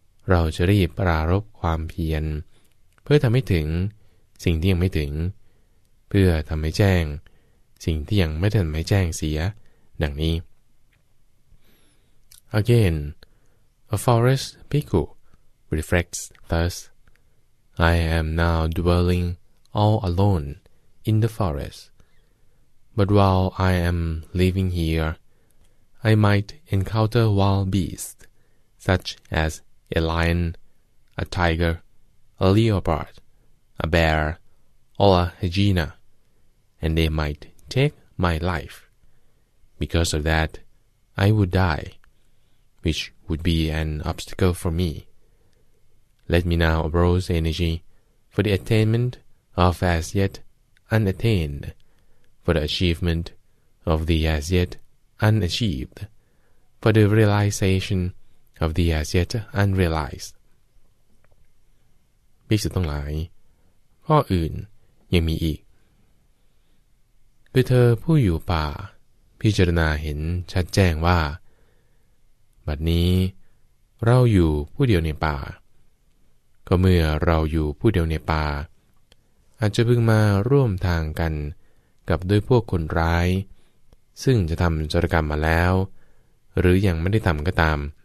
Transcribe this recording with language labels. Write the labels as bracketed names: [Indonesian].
[Thai] เราจะรีบปรารภความเพียรเพื่อทำให้ถึงสิ่งที่ยังไม่ถึงเพื่อทำให้แจ้งสิ่งที่ยังไม่ทันให้แจ้งเสียดังนี้ [English] Again, a forest bhikkhu reflects thus, I am now dwelling all alone in the forest. But while I am living here, I might encounter wild beasts, such as a lion, a tiger, a leopard, a bear, or a hyena, and they might take my life. Because of that, I would die, which would be an obstacle for me. Let me now arouse energy for the attainment of as yet unattained, for the achievement of the as yet unachieved, for the realization of the as yet unrealized. [Thai] ภิกษุทั้งหลายข้ออื่นยังมีอีกเธอผู้อยู่ป่าพิจารณาเห็นชัดแจ้งว่าบัดนี้เราอยู่ผู้เดียวในป่าก็เมื่อเราอยู่ผู้เดียวในป่าอาจจะพึงมาร่วมทางกันกับด้วยพวกคนร้ายซึ่งจะทำจรกรรมมาแล้วหรือยังไม่ได้ทำก็ตาม